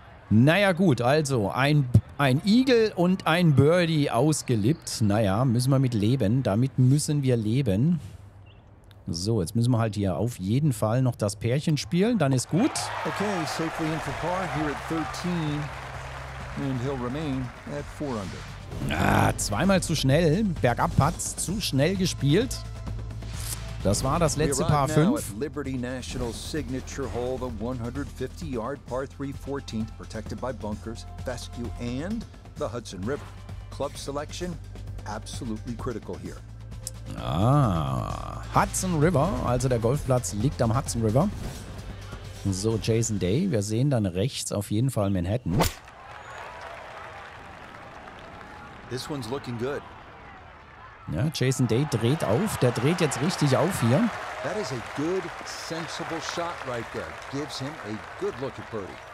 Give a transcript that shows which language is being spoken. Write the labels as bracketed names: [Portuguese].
[German] Naja gut, also ein Igel und ein Birdie ausgelippt. Naja, müssen wir mit leben. Damit müssen wir leben. So, jetzt müssen wir halt hier auf jeden Fall noch das Pärchen spielen. Dann ist gut. [English] Okay, safely in for par here at 13. And he'll remain at 4 under. [German] Ah, zweimal zu schnell. Bergab hat's zu schnell gespielt. Das war das letzte Paar 5. [English] Liberty National Signature Hole, the 150-yard par 3, 14th, protected by bunkers, fescue and the Hudson River. Club selection absolutely critical here. [German] Ah, Hudson River, also der Golfplatz liegt am Hudson River. So, Jason Day, wir sehen dann rechts auf jeden Fall Manhattan. [English] This one's looking good. [German] Ja, Jason Day dreht auf. Der dreht jetzt richtig auf hier. [English] That is a good, sensible shot right there. Gives him a good look at birdie.